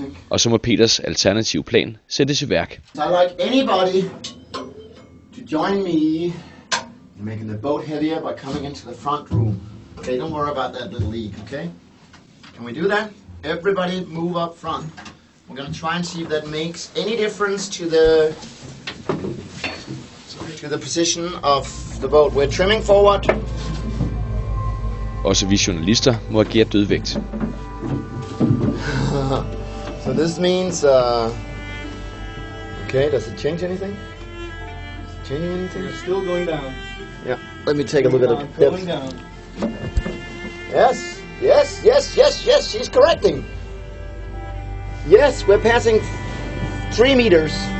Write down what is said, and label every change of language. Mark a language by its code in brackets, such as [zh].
[da] Og så må Peters alternative plan sættes i værk. [en] So I'd like anybody to join me in making the boat heavier by coming into the front room. Okay, don't worry about that little leak, okay? Can we do that? Everybody move up front. We're gonna try and see if that makes any difference to the position of the boat. We're trimming forward. [da] Også vi journalister må agere dødvægt. [en] So this means okay, does it change anything? Change anything? We're still going down. Yeah, let me take a look at it. Going down. Yes. Yes, yes, yes, yes, she's correcting. Yes, we're passing 3 meters.